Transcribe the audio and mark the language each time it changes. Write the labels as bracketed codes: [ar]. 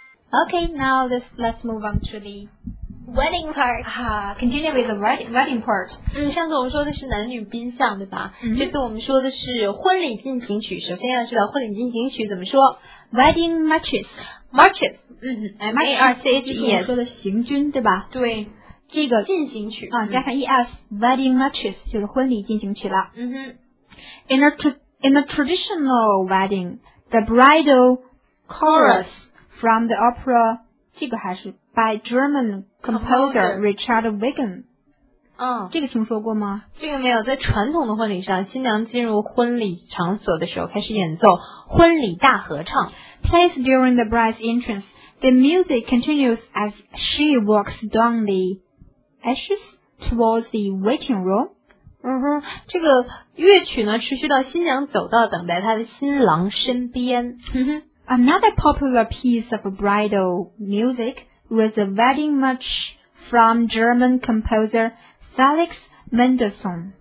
[en] Okay, now let's move on to the wedding part. Continue with the wedding part. [zh] 上次我们说的是男女宾相，对吧？这次我们说的是婚礼进行曲。首先要知道婚礼进行曲怎么说 [en] ？Wedding marches. Marches. M-A-R-C-H-E-S. [zh] 就是我们说的行军，对吧？对。这个进行曲啊，加上 E-S. [en] Wedding marches [zh] 就是婚礼进行曲了。嗯哼。 [en] In a traditional wedding, the bridal chorus from the opera. [zh] 这个还是。 [en] By German composer Richard Wagner. [zh] 这个听说过吗？这个没有。在传统的婚礼上，新娘进入婚礼场所的时候，开始演奏婚礼大合唱。 [en] Plays during the bride's entrance, the music continues as she walks down the aisles towards the waiting room. [zh] 嗯哼，这个乐曲呢，持续到新娘走到等待她的新郎身边。 [en] 嗯哼 ，Another popular piece of bridal music. Was a wedding march from German composer Felix Mendelssohn.